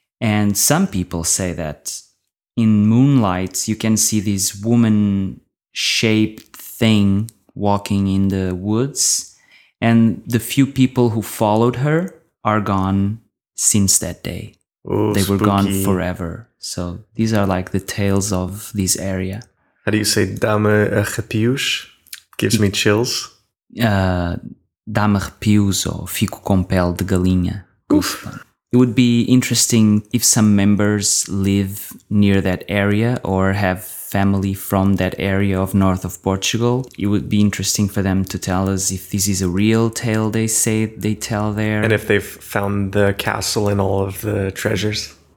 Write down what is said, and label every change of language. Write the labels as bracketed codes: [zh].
[en] And some people say that in moonlight, you can see this woman-shaped thing walking in the woods, and the few people who followed her are gone since that day. Oh, they were spooky. Gone forever. So these are like the tales of this area. How do you say [pt] dá-me arrepios? [en] Gives me chills. [pt] Dá-me arrepios, or fico com pele de galinha. [en] It would be interesting if some members live near that area or have family from that area of north of Portugal. It would be interesting for them to tell us if this is a real tale they say they tell there. And if they've found the castle and all of the treasures.